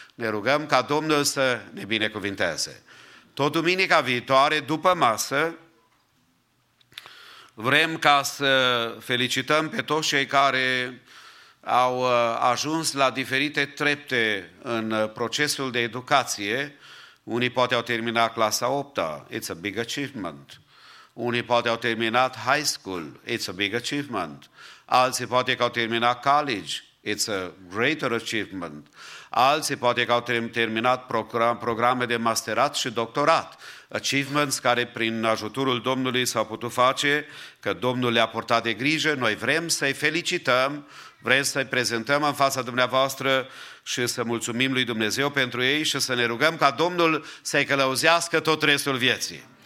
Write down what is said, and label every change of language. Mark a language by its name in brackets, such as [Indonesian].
[Romanian] Ne rugăm ca Domnul să ne binecuvinteze. Tot duminica viitoare, după masă, Vrem ca să felicităm pe toți cei care au ajuns la diferite trepte în procesul de educație. Unii poate au terminat clasa 8-a, [English] it's a big achievement. [Romanian] Unii poate au terminat high school, [English] it's a big achievement. [Romanian] Alții poate că au terminat college, [English] it's a greater achievement. [Romanian] Alții poate că au terminat programe de masterat și doctorat. Achievements care prin ajutorul Domnului s-au putut face, că Domnul le-a purtat de grijă. Noi vrem să-i felicităm, vrem să-i prezentăm în fața dumneavoastră și să mulțumim lui Dumnezeu pentru ei și să ne rugăm ca Domnul să-i călăuzească tot restul vieții.